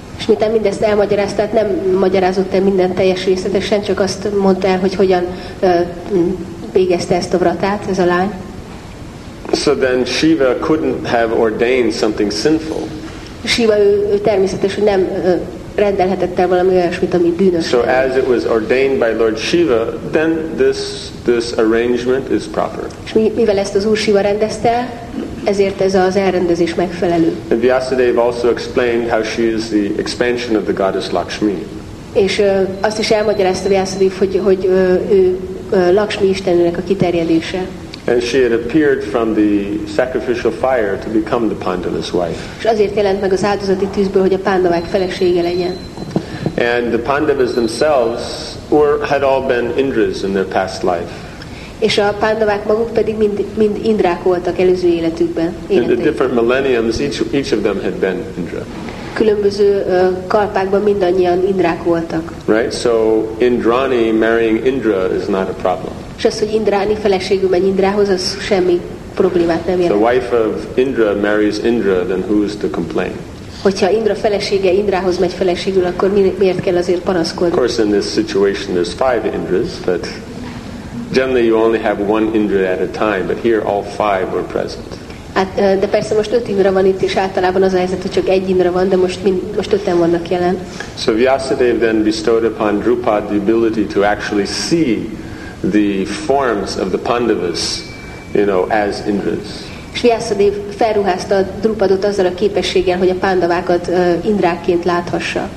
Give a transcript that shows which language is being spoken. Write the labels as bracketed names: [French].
[Hungarian] És miután mindezt elmagyarázta, tehát nem magyarázott el minden teljes részletesen, csak azt mondta el, hogy hogyan végezte ezt a vratát, ez a lány. [English] So then Shiva couldn't have ordained something sinful. [Hungarian] Shiva, ő természetesen nem rendelhetett el valami olyasmit, ami bűnös. [English] So as it was ordained by Lord Shiva, then this arrangement is proper. [Hungarian] És mivel ezt az Úr Shiva rendezte, ezért ez az elrendezés megfelelő. [English] And Vyasadeva also explained how she is the expansion of the goddess Lakshmi. [Hungarian] És azt is elmagyarázta Vyasadeva, hogy ő Lakshmi istenének a kiterjedése. [English] And she had appeared from the sacrificial fire to become the Pandava's wife. [Hungarian] És azért jelent meg az áldozati tűzből, hogy a Pandavák felesége legyen. [English] And the Pandavas themselves had all been Indras in their past life. [Hungarian] És a Pandavák maguk pedig mind Indrák voltak előző életükben. [English] In the different millenniums, each of them had been Indra. [Hungarian] Különböző kalpákban mindannyian Indrák voltak. [English] Right, so Indrani marrying Indra is not a problem. [Hungarian] És az, hogy Indráni feleségül megy Indrához, az semmi problémát nem jelent. [English] The wife of Indra marries Indra, then who is to complain? [Hungarian] Hogyha Indra felesége Indrához megy feleségül, akkor miért kell azért panaszkodni? [English] Of course, in this situation there's five Indras, but generally you only have one Indra at a time, but here all five were present. [Hungarian] Hát, de persze most öt Indra van itt, és általában az a helyzet, hogy csak egy Indra van, de most öten vannak jelen. [English] So Vyasadeva then bestowed upon Drupad the ability to actually see the forms of the Pandavas, you know, as Indras. [Hungarian] És Vyasadev felruházta Drupadot azzal a képességgel, hogy a Pandavákat Indrákként láthassa.